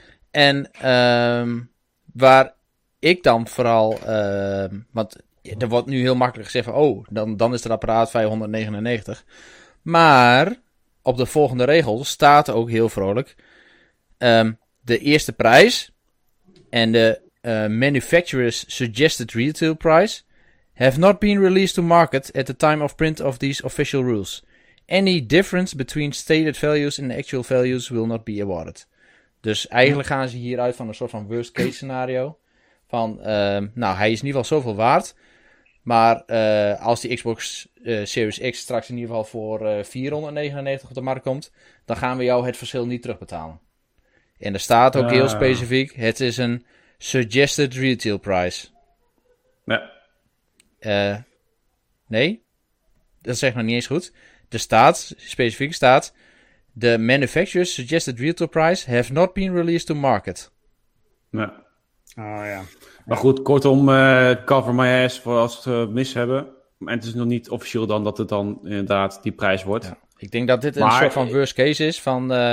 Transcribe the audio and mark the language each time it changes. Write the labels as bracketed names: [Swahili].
[Dutch] En waar ik dan vooral... want er wordt nu heel makkelijk gezegd van... Oh, dan is het apparaat 599. Maar op de volgende regel staat ook heel vrolijk... de eerste prijs en de... [English] manufacturer's suggested retail price have not been released to market at the time of print of these official rules. Any difference between stated values and actual values will not be awarded. [Dutch] Dus eigenlijk gaan ze hieruit van een soort van worst case scenario. Van, nou, hij is in ieder geval zoveel waard. Maar als die Xbox Series X straks in ieder geval voor $499 op de markt komt, dan gaan we jou het verschil niet terugbetalen. En er staat ook heel specifiek, het is een [English] suggested retail price. [Dutch] Ja. Nee. Dat zeg ik nog niet eens goed. Er staat, specifiek staat... [English] The manufacturer's suggested retail price... have not been released to market. [Dutch] Ja. Oh ja. Maar goed, kortom... [English] cover my ass [Dutch] voor als we het mis hebben. En het is nog niet officieel dan... dat het dan inderdaad die prijs wordt. Ja. Ik denk dat dit een soort van worst case is. Van,